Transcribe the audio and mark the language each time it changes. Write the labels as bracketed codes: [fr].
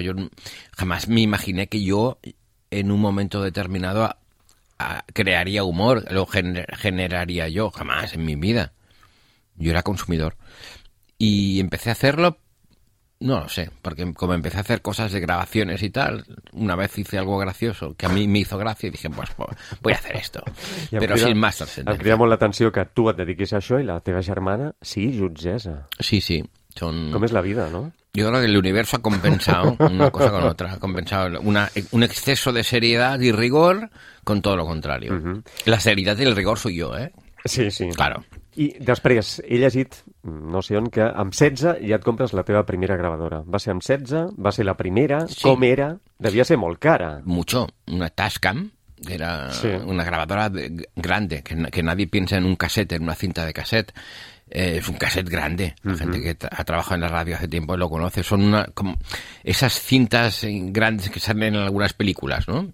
[es] Yo jamás me imaginé que yo... en un momento determinado crearía humor, lo generaría yo, jamás en mi vida. Yo era consumidor. Y empecé a hacerlo, no lo sé, porque como empecé a hacer cosas de grabaciones y tal, una vez hice algo gracioso, que a mí me hizo gracia, y dije, pues voy a hacer esto. Pero sin más trascendencia. [ca] Em crida molt l'atenció que tu et dediquis a això i la teva germana sigui jutgessa. [es] Sí, sí. Son... [ca] Com és la vida, no? [es] Yo creo que el universo ha compensado una cosa con otra. Ha compensado un exceso de seriedad y rigor con todo lo contrario. Uh-huh. La seriedad y el rigor soy yo, ¿eh? Sí, sí. Claro. [ca] I després he llegit, no sé on, que amb 16 ja et compres la teva primera gravadora. Va ser amb 16, va ser la primera, sí. Com era? Devia ser molt cara. [es] Mucho. Una Tascam, que era una gravadora grande, que nadie piensa en un cassette, en una cinta de cassette. Es un cassette grande, la gente que ha trabajado en la radio hace tiempo lo conoce. Son una como esas cintas grandes que salen en algunas películas, ¿no?